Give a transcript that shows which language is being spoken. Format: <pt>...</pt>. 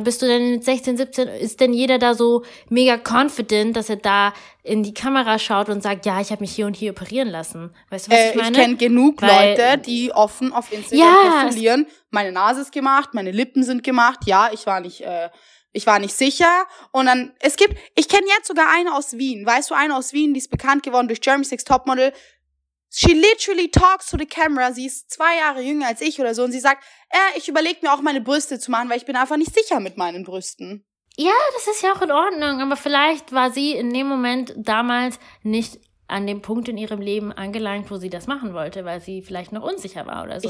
<de>Bist du denn mit 16, 17, ist denn jeder da so mega confident, dass er da in die Kamera schaut und sagt, ja, ich habe mich hier und hier operieren lassen. Weißt du, was ich meine? Ich kenne genug Leute, die offen auf Instagram profilieren. Meine Nase ist gemacht, meine Lippen sind gemacht. Ja, ich war nicht sicher. Und dann, ich kenne jetzt sogar eine aus Wien. Weißt du, eine aus Wien, die ist bekannt geworden durch Jeremy Six Topmodel.</de> <en>She literally talks to the camera.</en> <de>Sie ist 2 Jahre jünger als ich oder so. Und sie sagt, ich überlege mir auch meine Brüste zu machen, weil ich bin einfach nicht sicher mit meinen Brüsten. Ja, das ist ja auch in Ordnung. Aber vielleicht war sie in dem Moment damals nicht an dem Punkt in ihrem Leben angelangt, wo sie das machen wollte, weil sie vielleicht noch unsicher war oder so.</de>